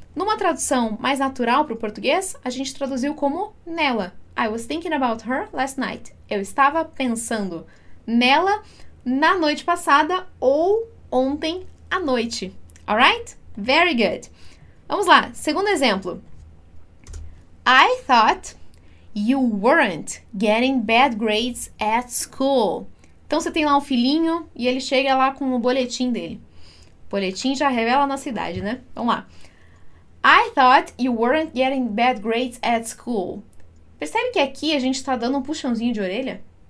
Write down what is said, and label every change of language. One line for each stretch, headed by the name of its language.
Portuguese: Numa tradução mais natural para o português, a gente traduziu como nela.
English: I was thinking about her last night.
Portuguese: Eu estava pensando nela na noite passada ou ontem à noite.
English: Alright? Very good.
Portuguese: Vamos lá. Segundo exemplo.
English: I thought you weren't getting bad grades at school.
Portuguese: Então, você tem lá um filhinho e ele chega lá com o boletim dele. O boletim já revela a nossa idade, né? Vamos lá.
English: I thought you weren't getting bad grades at school.
Portuguese: Percebe que aqui a gente está dando um puxãozinho de orelha?